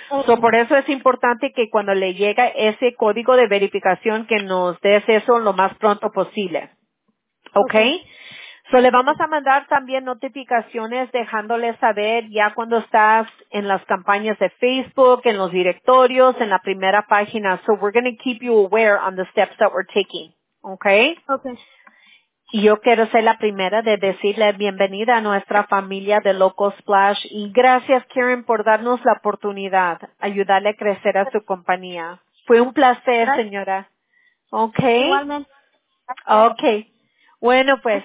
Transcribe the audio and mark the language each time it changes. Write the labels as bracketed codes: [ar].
[es] So, por eso es importante que cuando le llega ese código de verificación que nos des eso lo más pronto posible, okay? So, le vamos a mandar también notificaciones dejándole saber ya cuando estás en las campañas de Facebook, en los directorios, en la primera página. [en] So, we're going to keep you aware on the steps that we're taking. Okay? Okay. [es] Y yo quiero ser la primera de decirle bienvenida a nuestra familia de Local Splash. Y gracias, Karen, por darnos la oportunidad de ayudarle a crecer a su compañía. Fue un placer, señora. Okay? Igualmente. Okay. Bueno, pues.